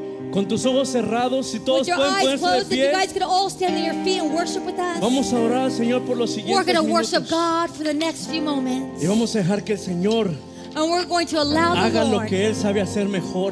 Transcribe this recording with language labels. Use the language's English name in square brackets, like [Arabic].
[Spanish] Con tus ojos cerrados, si todos pueden ponerse de pie. [English] If you guys could all stand on your feet and worship with us. [Spanish] Vamos a orar al Señor por los siguientes minutos. [English] We're going to worship God for the next few moments. [Spanish] Y vamos a dejar que el Señor haga lo que él sabe hacer mejor.